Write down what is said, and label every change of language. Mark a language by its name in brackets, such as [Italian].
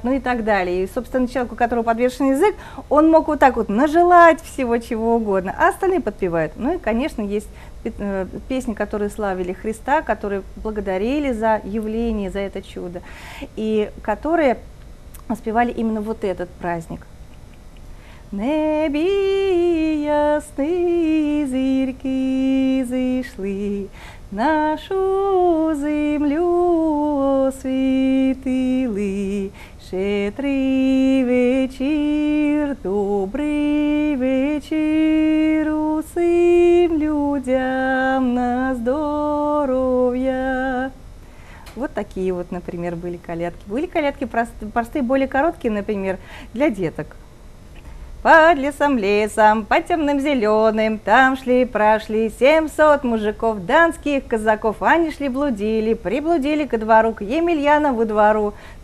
[Russian] Ну и так далее. И, собственно, человеку, у которого подвешен язык, он мог вот так вот нажелать всего чего угодно, а остальные подпевают. Ну и, конечно, есть песни, которые славили Христа, которые благодарили за явление, за это чудо, и которые воспевали именно вот этот праздник. [Ukrainian] небі ясні зірки зійшли, нашу землю освітили. Щедрий вечір, добрий вечір усім людям на здоров'я. [Russian] Вот такие вот, например, были колядки. Были колядки простые, более короткие, например, для деток. Под лесом, под темным зеленым, там шли, прошли 700 мужиков, донских казаков. Они шли, блудили, приблудили ко двору, к Емельянову двору.